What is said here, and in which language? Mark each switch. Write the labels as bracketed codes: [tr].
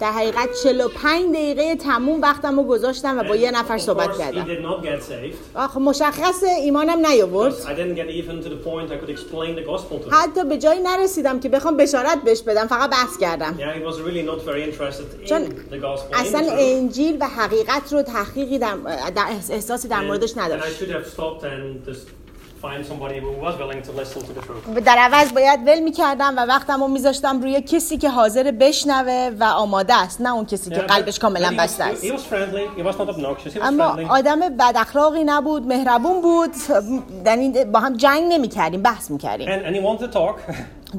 [fa] در حقیقت 45 دقیقه تموم وقتم رو گذاشتم و با یه نفر صحبت کردم. آخه مشخصه ایمانم نیاورد. [en] I didn't get even to the point I could explain the gospel to him. [fa] حتی به جایی نرسیدم که بخوام بشارت بهش بدم، فقط بحث کردم. [en] Yeah, he was really not very interested in the gospel. [fa] اصلا انجیل و حقیقت رو تحقیقی در احساسی در موردش نداشت. [en] And I should have stopped and just find somebody who was willing to listen to the truth. [fa] در عوض باید ول می‌کردم و وقتمو می‌ذاشتم روی کسی که حاضر بشنوه و آماده است، نه اون کسی که قلبش کاملا بسته است. [en] He was friendly. He was not obnoxious. [fa] اما آدم بد اخلاقی نبود، مهربون بود. در این با هم جنگ نمی‌کردیم، بحث می‌کردیم. [en] And he wanted to talk.